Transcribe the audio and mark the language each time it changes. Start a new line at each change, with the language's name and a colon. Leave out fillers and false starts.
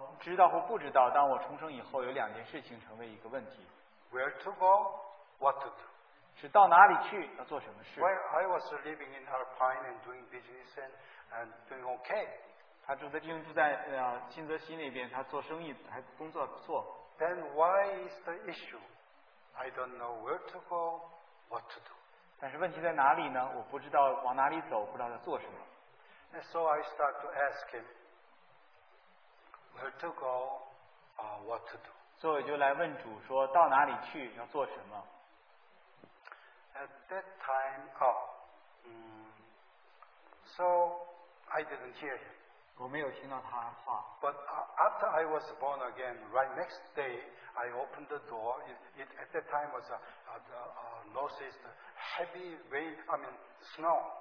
Chinese: 知道或不知道 当我重生以后 有两件事情成为一个问题。
English: Where to go? What to do?
Chinese: 是到哪里去 要做什么事?
English: Well, I was living in Alpine and doing business and doing okay.
Chinese: 他住在 新泽西那边 他做生意 还工作不错。
English: Then why is the issue? I don't know where to go, what to do.
Chinese: 但是问题在哪里呢? 我不知道往哪里走 不知道在做什么。
English: And so I start to ask him, where to go, what to do.
Chinese: 所以我就来问主说, 到哪里去, 要做什么?
English: At that time, so I didn't hear him.
Chinese: 我没有听到他的话。
English: But after I was born again, right next day, I opened the door. At that time was northeast, heavy rain, snow.